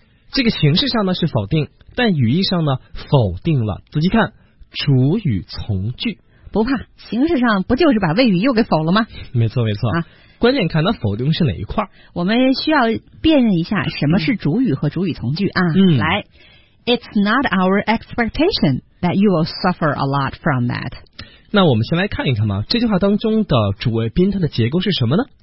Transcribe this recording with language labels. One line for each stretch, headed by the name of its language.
Chinese: 这个形式上呢是否定，但语义上呢否定了。仔细看，主语从句。不怕，形式上不就是把谓语又给否了吗？没错没错啊。关键看它否定是哪一块。我们需要辨认一下什么是主语和主语从句啊。来。
English: It's not our expectation that you will suffer a lot from that.
Chinese: 那我们先来看一看嘛，这句话当中的主谓宾它的结构是什么呢？